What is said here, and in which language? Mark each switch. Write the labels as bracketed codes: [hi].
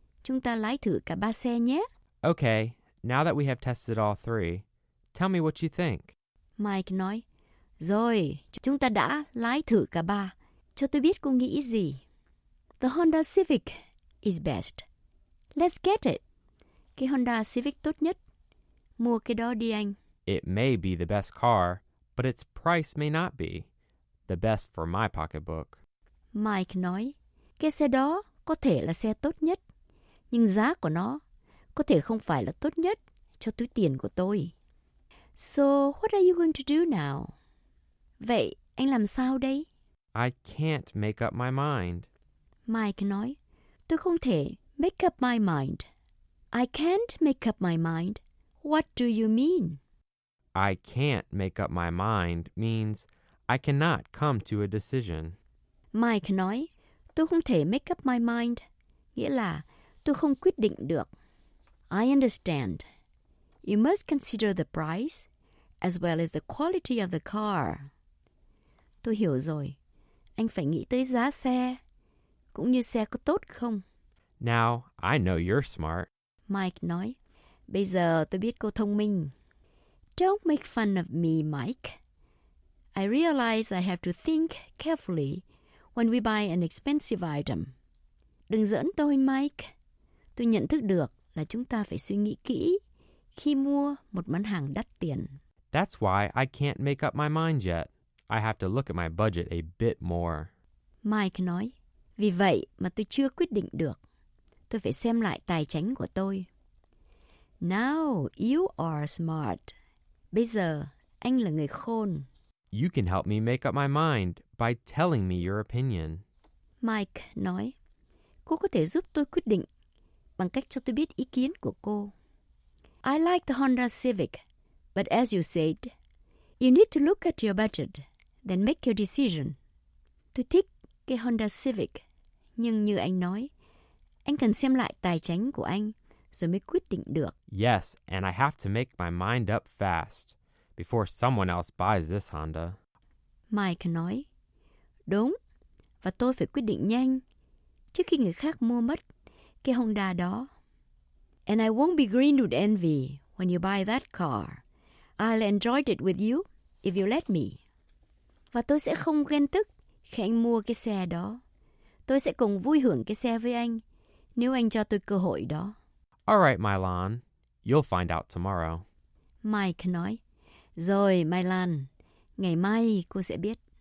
[vi] Chúng ta lái thử cả ba xe nhé. [en] Okay, now that we have tested all three, tell me what you think. [vi] Mike nói, rồi, chúng ta đã lái thử cả ba. Cho tôi biết cô nghĩ gì. [en] The Honda Civic is best. Let's get it. [vi] Cái Honda Civic tốt nhất. Mua cái đó đi anh. [en] It may be the best car, but its price may not be the best for my pocketbook. [vi] Mike nói, cái xe đó có thể là xe tốt nhất. Nhưng giá của nó có thể không phải là tốt nhất cho túi tiền của tôi. [en] So, what are you going to do now? [vi] Vậy, anh làm sao đây? [en] I can't make up my mind. [vi] Mike nói, tôi không thể [en] make up my mind. I can't make up my mind. What do you mean? I can't make up my mind means I cannot come to a decision. [vi] Mike nói, tôi không thể [en] make up my mind. [vi] Nghĩa là, tôi không quyết định được. [en] I understand. You must consider the price as well as the quality of the car. [vi] Tôi hiểu rồi. Anh phải nghĩ tới giá xe, cũng như xe có tốt không. [en] Now, I know you're smart. [vi] Mike nói, bây giờ tôi biết cô thông minh. [en] Don't make fun of me, Mike. I realize I have to think carefully when we buy an expensive item. [vi] Đừng giỡn tôi, Mike. Tôi nhận thức được là chúng ta phải suy nghĩ kỹ khi mua một món hàng đắt tiền. [en] That's why I can't make up my mind yet. I have to look at my budget a bit more. [vi] Mike nói, vì vậy mà tôi chưa quyết định được. Tôi phải xem lại tài chính của tôi. [en] Now you are smart. [vi] Bây giờ, anh là người khôn. [en] You can help me make up my mind by telling me your opinion. [vi] Mike nói, cô có thể giúp tôi quyết định bằng cách cho tôi biết ý kiến của cô. [en] I like the Honda Civic, but as you said, you need to look at your budget, then make your decision. [vi] Tôi thích cái Honda Civic, nhưng như anh nói, anh cần xem lại tài chính của anh rồi mới quyết định được. [en] Yes, and I have to make my mind up fast before someone else buys this Honda. [vi] Mike nói, đúng, và tôi phải quyết định nhanh trước khi người khác mua mất cái Honda đó. [en] And I won't be green with envy when you buy that car. I'll enjoy it with you if you let me. [vi] Và tôi sẽ không ghen tức khi anh mua cái xe đó. Tôi sẽ cùng vui hưởng cái xe với anh nếu anh cho tôi cơ hội đó. [en] All right, Mylan. You'll find out tomorrow. [vi] Mike nói, rồi, Mylan. Ngày mai cô sẽ biết.